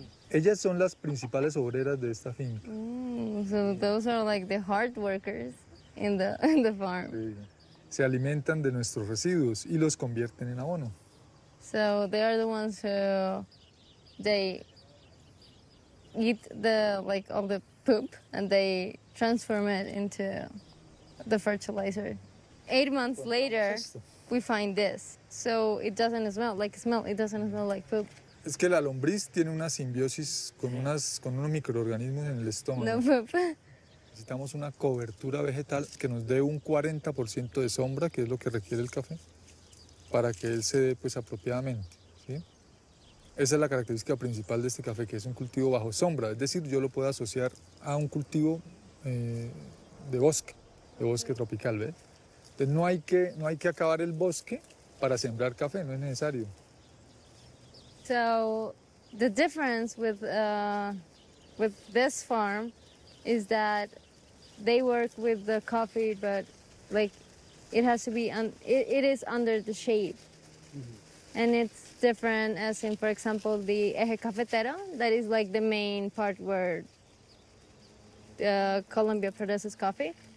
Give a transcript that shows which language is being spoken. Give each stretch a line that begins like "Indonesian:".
Spanish: Ellas son las principales obreras de esta finca.
English: So those are like the hard workers in the farm.
Spanish: Sí. Se alimentan de nuestros residuos y los convierten en abono.
English: So they are the ones who they eat the like all the poop and they transform it into the fertilizer. 8 months later, we find this. So it doesn't smell like smell. It doesn't smell like poop.
Spanish: Es que la lombriz tiene una simbiosis con unas con unos microorganismos en el estómago.
English: No poop.
Spanish: Necesitamos una cobertura vegetal que nos dé un 40% de sombra, que es lo que requiere el café, para que él se dé pues apropiadamente, ¿sí? Esa es la característica principal de este café, que es un cultivo bajo sombra. Es decir, yo lo puedo asociar a un cultivo de bosque tropical, ¿ves? Entonces, no hay que acabar el bosque para sembrar café, no es necesario.
English: So, the difference with this farm is that they work with the coffee, but like it has to be it is under the shade, mm-hmm. And it's different as in, for example, the Eje Cafetero, that is like the main part where Colombia produces coffee.